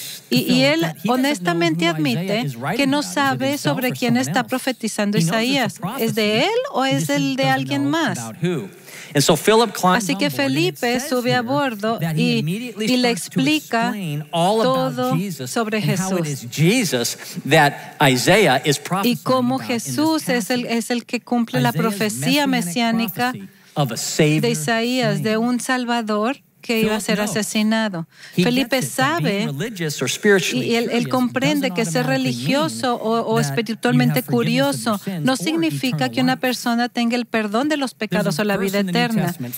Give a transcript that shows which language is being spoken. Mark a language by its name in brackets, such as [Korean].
[Spanish] Y él honestamente admite que no sabe sobre quién está profetizando Isaías. ¿Es de él o es el de alguien más? [English] And so Philip climbs. [Spanish] Así que Felipe sube a bordo y le explica todo sobre Jesús. [English] How it is Jesus that Isaiah is prophesying. [Spanish] Y cómo Jesús es el que cumple la profecía mesiánica de Isaías, de un Salvador que iba a ser asesinado. Felipe sabe y él comprende que ser religioso o espiritualmente curioso no significa que una persona tenga el perdón de los pecados o la vida eterna.